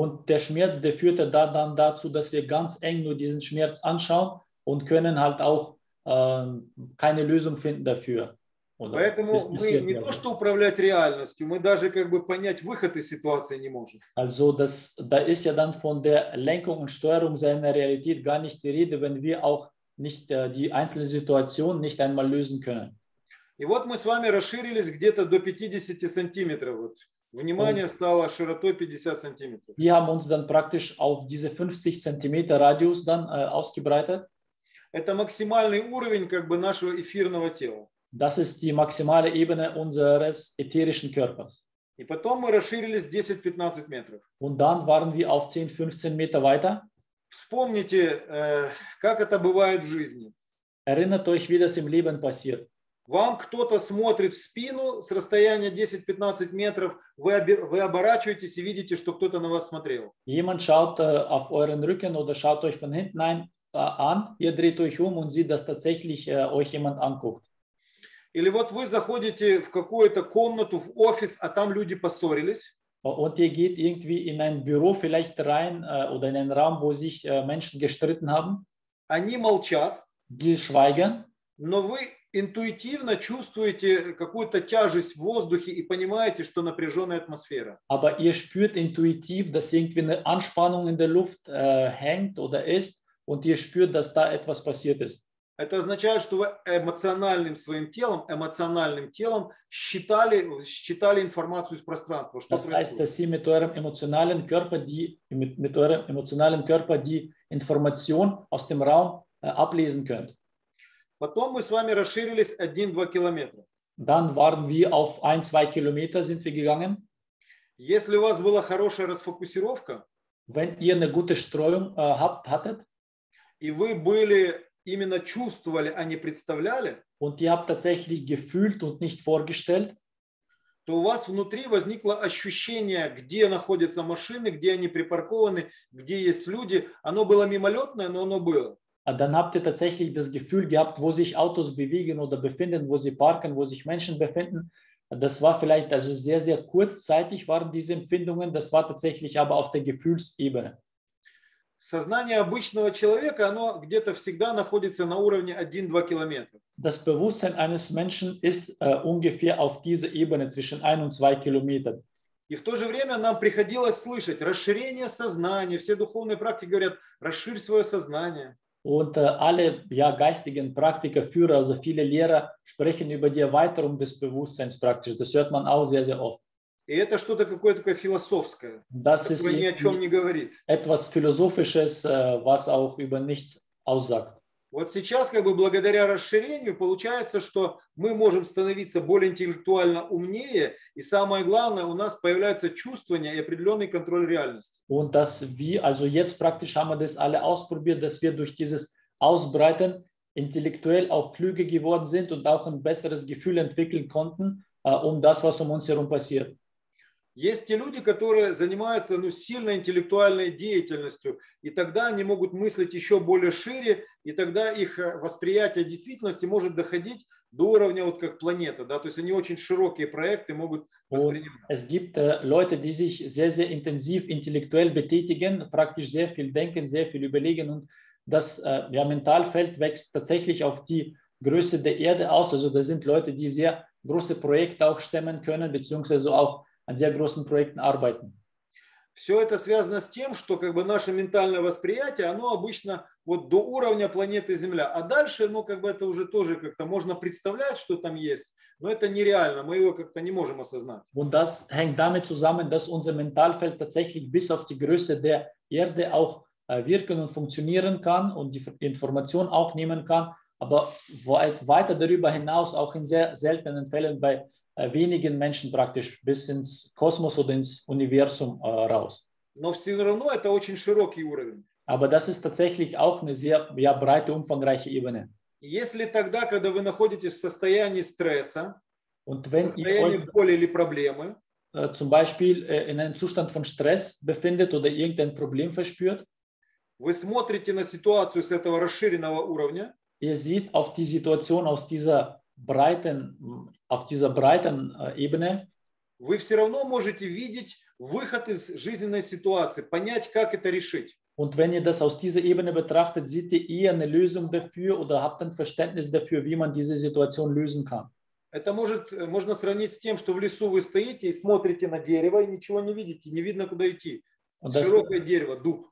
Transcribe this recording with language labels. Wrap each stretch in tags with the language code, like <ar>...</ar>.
<de>Und der Schmerz, der führt dann dazu, dass wir ganz eng nur diesen Schmerz anschauen und können halt auch keine Lösung finden dafür.</de> <ru>Поэтому мы не то, что управлять реальностью, мы даже как бы понять выход из ситуации не можем.</ru> <de>Also das, da ist ja dann von der Lenkung und Steuerung seiner Realität gar nicht die Rede, wenn wir auch nicht die einzelne Situation nicht einmal lösen können.</de> <ru>И вот мы с вами расширились где-то до 50 сантиметров. Вот. Внимание</ru> <de>und</de> <ru>стало широтой 50 сантиметров.</ru> <de>Wir haben uns dann praktisch auf diese 50 Zentimeter Radius dann ausgebreitet.</de> <ru>Это максимальный уровень как бы нашего эфирного тела.</ru> <de>Das ist die maximale Ebene unseres ätherischen Körpers.</de> <ru>И потом мы расширились 10-15 метров.</ru> <de>Und dann waren wir auf 10-15 Meter weiter.</de> <ru>Вспомните, как это бывает в жизни.</ru> <de>Erinnert euch, wie das im Leben passiert.</de> <ru>Вам кто-то смотрит в спину с расстояния 10-15 метров, вы оборачиваетесь и видите, что кто-то на вас смотрел.</ru> <de>Jemand schaut auf euren Rücken oder schaut euch von hinten an, ihr dreht euch um und sieht, dass tatsächlich euch jemand anguckt.</de> <ru>Или вот вы заходите в какую-то комнату, в офис, а там люди поссорились.</ru> <de>Und ihr geht irgendwie in ein Büro vielleicht rein oder in einen Raum, wo sich Menschen gestritten haben.</de> <ru>Они молчат.</ru> <de>Die schweigen.</de> <ru>Но вы интуитивно чувствуете какую-то тяжесть в воздухе и понимаете, что напряженная атмосфера.</ru> <de>Aber ihr spürt intuitiv, dass irgendwie eine Anspannung in der Luft hängt oder ist und ihr spürt, dass da etwas passiert ist.</de> <ru>Это означает, что вы эмоциональным своим телом, считали информацию из пространства. Что</ru> <de>das heißt, dass Sie mit eurem emotionalen Körper die Information aus dem Raum ablesen könnt.</de> <ru>Потом мы с вами расширились 1-2 километра.</ru> <de>Dann waren wir auf 1-2 Kilometer sind wir gegangen.</de> <ru>Если у вас была хорошая расфокусировка,</ru> <de>wenn ihr eine gute Streuung hattet,</de> <ru>и вы были именно чувствовали, а не представляли,</ru> <de>und ihr habt tatsächlich gefühlt und nicht vorgestellt,</de> <ru>то у вас внутри возникло ощущение, где находятся машины, где они припаркованы, где есть люди. Оно было мимолетное, но оно было.</ru> <de>Dann habt ihr tatsächlich das Gefühl gehabt, wo sich Autos bewegen oder befinden, wo sie parken, wo sich Menschen befinden. Das war vielleicht also sehr, sehr kurzzeitig waren diese Empfindungen. Das war tatsächlich aber auf der Gefühlsebene.</de> <ru>Сознание обычного человека, оно где-то всегда находится на уровне 1-2 километра. Das Bewusstsein eines Menschen ist ungefähr auf dieser Ebene zwischen 1 und 2 Kilometern. И в то же время нам приходилось слышать расширение сознания. Все духовные практики говорят: расширь свое сознание.</ru> <de>Und alle ja, geistigen Praktiker, Führer, also viele Lehrer sprechen über die Erweiterung des Bewusstseins praktisch. Das hört man auch sehr, sehr oft.</de> <ru>И это что-то какое-то такое философское,</ru> <de>das</de> <ru>которое ни о чем не говорит.</ru> <de>Etwas Philosophisches, was auch über nichts aussagt.</de> <ru>Вот сейчас, как бы благодаря расширению, получается, что мы можем становиться более интеллектуально умнее, и самое главное, у нас появляются чувствования и определенный контроль реальности.</ru> <de>Und dass wir, also jetzt praktisch haben wir das alle ausprobiert, dass wir durch dieses Ausbreiten intellektuell auch klüger geworden sind und auch ein besseres Gefühl entwickeln konnten, um das, was um uns herum passiert.</de> <ru>Есть те люди, которые занимаются ну, сильной интеллектуальной деятельностью, и тогда они могут мыслить еще более шире, и тогда их восприятие действительности может доходить до уровня вот как планета, да, то есть они очень широкие проекты могут воспринимать.</ru> <de>Es gibt Leute, die sich sehr, sehr intensiv intellektuell betätigen, praktisch sehr viel denken, sehr viel überlegen, und das ja, Mentalfeld wächst tatsächlich auf die Größe der Erde aus. Also da sind Leute, die sehr große Projekte auch stemmen können, beziehungsweise auch an sehr großen Projekten arbeiten.</de> <ru>Все это связано с тем, что как бы наше ментальное восприятие, оно обычно вот до уровня планеты Земля, а дальше, ну как бы это уже тоже как-то можно представлять, что там есть, но это нереально, мы его как-то не можем осознать.</ru> <de>Und das hängt damit zusammen, dass unser Mentalfeld tatsächlich bis auf die Größe der Erde auch wirken und funktionieren kann und die Information aufnehmen kann, aber weiter darüber hinaus auch in sehr seltenen Fällen bei wenigen Menschen praktisch bis ins Kosmos oder ins Universum raus.</de> <ru>Но все равно это очень широкий уровень.</ru> <de>Aber das ist tatsächlich auch eine sehr ja, breite, umfangreiche Ebene.</de> <ru>Если тогда, когда вы находитесь в состоянии стресса,</ru> <de>und wenn</de> <ru>в состоянии</ru> <de>ihr</de> <ru>боли или проблемы,</ru> <de>zum Beispiel in einem Zustand von Stress befindet oder irgendein Problem verspürt,</de> <ru>вы смотрите на ситуацию с этого расширенного уровня,</ru> <de>ihr seht auf die Situation aus dieser breiten, auf dieser breiten Ebene.</de> <ru>Вы все равно можете видеть выход из жизненной ситуации, понять, как это решить.</ru> <de>Und wenn ihr das aus dieser Ebene betrachtet, seht ihr eher eine Lösung dafür oder habt ein Verständnis dafür, wie man diese Situation lösen kann.</de> <ru>Это может, можно сравнить с тем, что в лесу вы стоите и смотрите на дерево и ничего не видите, не видно, куда идти.</ru> <de>Und das</de> <ru>широкое дерево, дуб.</ru>